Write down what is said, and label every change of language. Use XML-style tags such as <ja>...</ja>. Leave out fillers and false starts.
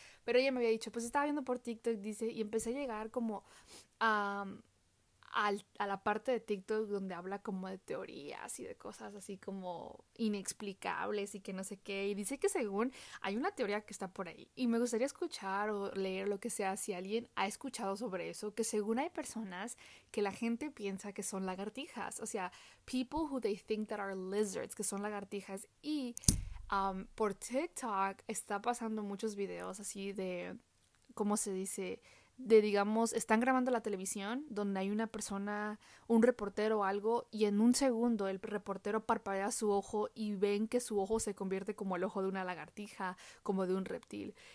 <es>Pero ella me había dicho, pues estaba viendo por TikTok, dice, y empecé a llegar como a la parte de TikTok donde habla como de teorías y de cosas así como inexplicables y que no sé qué. Y dice que según hay una teoría que está por ahí. Y me gustaría escuchar o leer lo que sea si alguien ha escuchado sobre eso. Que según hay personas que la gente piensa que son lagartijas. O sea,</es> <en>people who they think that are lizards,</en> <es>que son lagartijas. Y por TikTok está pasando muchos videos así de, ¿cómo se dice? De, digamos, están grabando la televisión donde hay una persona, un reportero o algo, y en un segundo el reportero parpadea su ojo y ven que su ojo se convierte como el ojo de una lagartija, como de un reptil.</es>